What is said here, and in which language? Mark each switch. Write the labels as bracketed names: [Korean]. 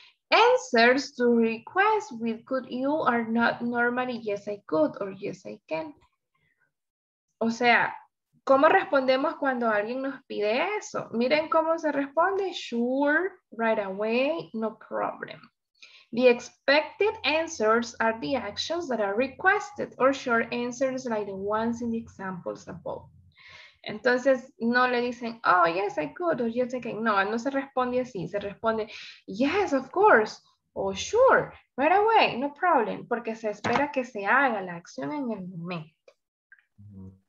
[English] Answers to requests with could you are not normally yes I could or yes I can. [Spanish] O sea, ¿cómo respondemos cuando alguien nos pide eso? Miren cómo se responde. [English] Sure, right away, no problem. The expected answers are the actions that are requested, or short answers like the ones in the examples above. [Spanish] Entonces, no le dicen, [English] oh, yes, I could, or yes, I can. [Spanish] No, no se responde así. Se responde, [English] yes, of course, or sure, right away, no problem, [Spanish] porque se espera que se haga la acción en el momento.